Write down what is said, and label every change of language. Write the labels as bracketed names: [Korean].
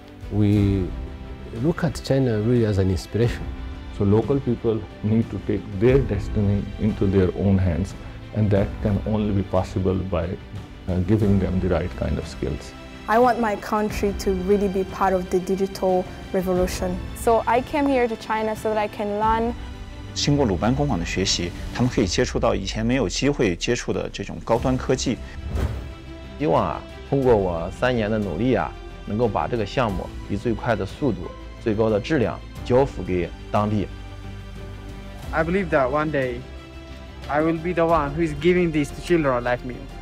[English] We look at China really as an inspiration. So local people need to take their destiny into their own hands, and that can only be possible by giving them the right kind of skills. I want my country to really be part of the digital revolution. So I came here to China so that I can learn. [Chinese] 经过鲁班工坊的学习, 他们可以接触到以前没有机会接触的这种高端科技。希望啊, 通过我3年的努力啊, 能够把这个项目 以最快的速度, 最高的质量, 交付给当地。 [English] I believe that one day I will be the one who is giving this to children like me.